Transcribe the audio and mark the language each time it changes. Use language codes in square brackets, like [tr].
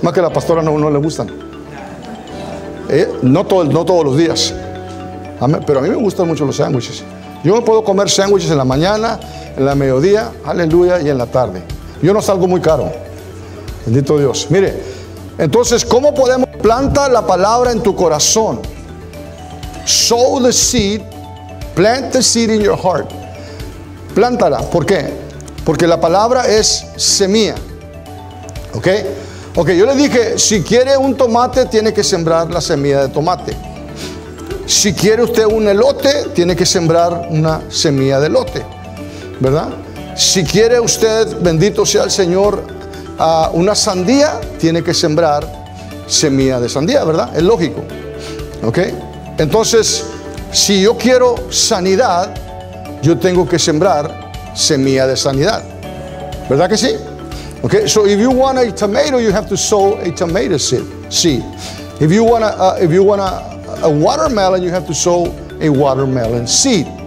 [es] Más que a la pastora no le gustan. No todos los días. Pero a mí me gustan mucho los sandwiches. Yo puedo comer sándwiches en la mañana, en la mediodía, aleluya, y en la tarde. Yo no salgo muy caro. Bendito Dios. Mire, entonces, ¿cómo podemos plantar la palabra en tu corazón? [en] Sow the seed, plant the seed in your heart. [es] Plántala, ¿por qué? Porque la palabra es semilla. ¿Ok? Ok, yo le dije, si quiere un tomate, tiene que sembrar la semilla de tomate. Si quiere usted un elote, tiene que sembrar una semilla de elote, ¿verdad? Si quiere usted, bendito sea el Señor, una sandía, tiene que sembrar semilla de sandía, ¿verdad? Es lógico, ¿ok? Entonces, Si yo quiero sanidad, yo tengo que sembrar semilla de sanidad. ¿Verdad que sí? [en] Okay, so if you want a tomato, you have to sow a tomato seed. If you want a watermelon, you have to sow a watermelon seed.